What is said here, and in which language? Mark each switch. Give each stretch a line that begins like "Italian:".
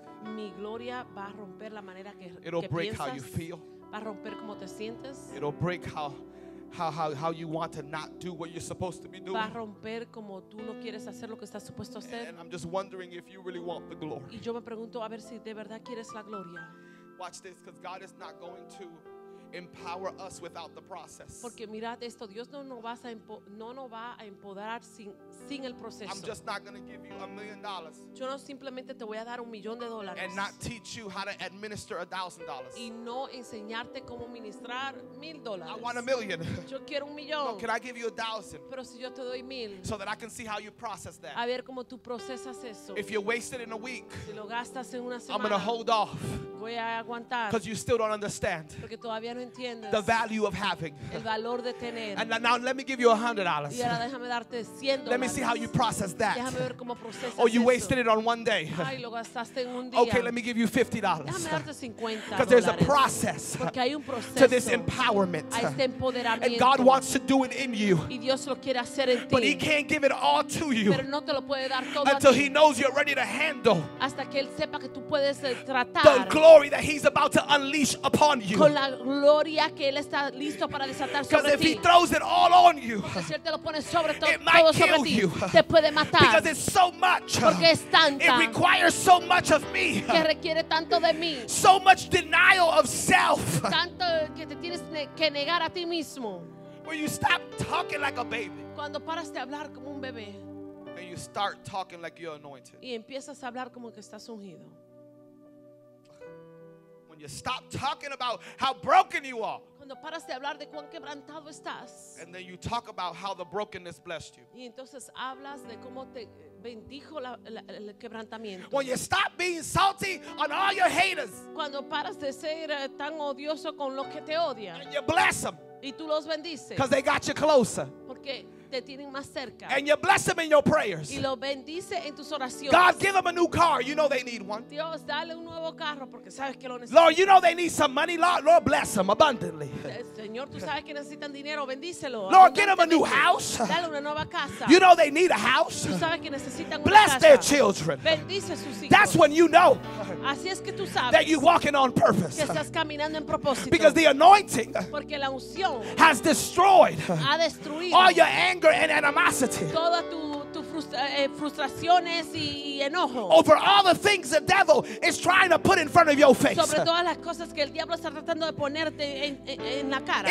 Spanish: Mi gloria va a romper la manera que
English: it'll
Spanish: que
English: break
Spanish: piensas.
English: How you feel.
Spanish: Va a romper como te sientes.
English: It'll break how you want to not do what you're supposed to be doing.
Spanish: Va a romper como tú no quieres hacer lo que estás supuesto a hacer.
English: And I'm just wondering if you really want the glory.
Spanish: Y yo me pregunto a ver si de verdad quieres la gloria.
English: Watch this, because God is not going to empower us without the process.
Spanish: Porque mirad esto, Dios no nos va a empoderar sin el proceso.
English: I'm just not going to give you $1,000,000.
Spanish: Yo no simplemente te voy a dar $1,000,000.
English: And not teach you how to administer $1,000.
Spanish: Y no enseñarte cómo ministrar $1,000.
English: I want $1,000,000.
Spanish: Yo quiero $1,000,000.
English: No, can I give you $1,000?
Spanish: Pero si yo te doy $1,000.
English: So that I can see how you process that.
Spanish: A ver cómo tú procesas eso.
English: If you waste it in a week,
Spanish: si lo gastas en una semana,
English: I'm going to hold off.
Spanish: Voy a aguantar.
English: Because you still don't understand.
Spanish: Porque todavía
English: the value of having
Spanish: el valor de tener.
English: And now let me give you $100.
Spanish: Y ahora déjame darte $100.
English: Let me see how you process that.
Spanish: Déjame ver cómo procesas
English: oh you
Spanish: eso.
English: Wasted it on one day.
Spanish: Ay, lo gastaste en un día.
English: Okay, let me give you $50.
Spanish: Déjame darte $50.
English: Because there's a process,
Spanish: porque hay un proceso
English: to this empowerment,
Spanish: a este empoderamiento.
English: And God wants to do it in you,
Spanish: y Dios lo quiere hacer en ti.
English: But he can't give it all to you,
Spanish: pero no te lo puede dar todo
English: until
Spanish: a ti.
English: He knows you're ready to handle,
Spanish: hasta que él sepa que tú puedes tratar
English: the glory that he's about to unleash upon you.
Spanish: Con la gloria que él está listo para desatar sobre ti.
English: Because if he throws it all on you,
Spanish: si él te lo pone sobre todo sobre ti, te puede matar.
English: Because it's so much,
Spanish: porque es tanta.
English: It requires so much of me,
Spanish: que requiere tanto de mí.
English: So much denial of self,
Spanish: tanto que te tienes que negar a ti mismo.
English: Where you stop talking like a baby,
Spanish: cuando paras de hablar como un bebé.
English: And you start talking like you're anointed,
Spanish: y empiezas a hablar como que estás ungido.
English: You stop talking about how broken you are.
Spanish: Cuando paras de hablar de cuán quebrantado estás.
English: And then you talk about how the brokenness blessed you.
Spanish: Y entonces hablas de cómo te bendijo el quebrantamiento.
English: When you stop being salty on all your haters.
Spanish: Cuando paras de ser tan odioso con los que te odian.
English: And you bless them.
Spanish: Y tú los bendices.
English: Because they got you closer.
Spanish: Porque te tienen más cerca.
English: And you bless them in your prayers.
Spanish: Y lo bendice en tus oraciones.
English: God, give them a new car. You know they need one.
Spanish: Dios, dale un nuevo carro porque sabes que lo necesitan.
English: Lord, you know they need some money. Lord, bless them abundantly.
Spanish: Señor, tú sabes que necesitan dinero. Bendícelo.
English: Lord, give them a new house.
Spanish: Dale una nueva casa.
English: You know they need a house.
Spanish: Tú sabes que necesitan una
English: bless
Spanish: casa.
English: Their children.
Spanish: Bendice sus hijos.
English: That's when you know.
Spanish: Así es que tú sabes
English: that you're walking on purpose.
Spanish: Que estás caminando en propósito.
English: Because the anointing,
Spanish: porque la unción,
English: has destroyed,
Spanish: ha destruido,
English: all your anger and animosity.
Spanish: Toda tu frustraciones y enojo.
English: Over all the things the devil is trying to put in front of your face.
Spanish: Sobre todas las cosas que el diablo está tratando de ponerte en la cara.